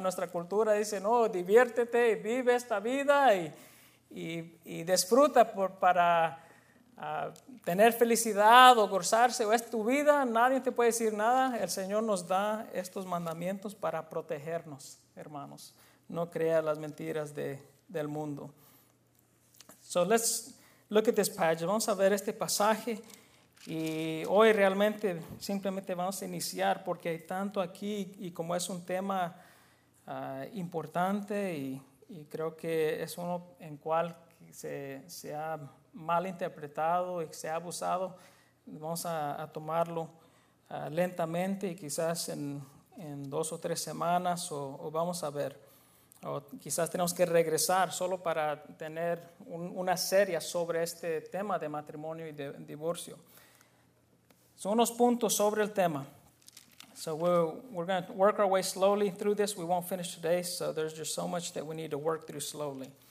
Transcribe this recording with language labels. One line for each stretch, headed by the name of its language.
Spanish: Nuestra cultura dice, no, diviértete, vive esta vida y disfruta para tener felicidad o gozarse o es tu vida, nadie te puede decir nada. El Señor nos da estos mandamientos para protegernos, hermanos. No crea las mentiras del mundo.
English: So let's look at this passage.
Spanish: Vamos a ver este pasaje. Y hoy realmente simplemente vamos a iniciar porque hay tanto aquí y como es un tema importante y creo que es uno en cual se ha malinterpretado y se ha abusado, vamos a tomarlo lentamente y quizás en 2 o 3 semanas o vamos a ver. O quizás tenemos que regresar solo para tener una serie sobre este tema de matrimonio y de divorcio. Son unos puntos sobre el tema.
English: So we're going to work our way slowly through this. We won't finish today, so there's just so much that we need to work through slowly.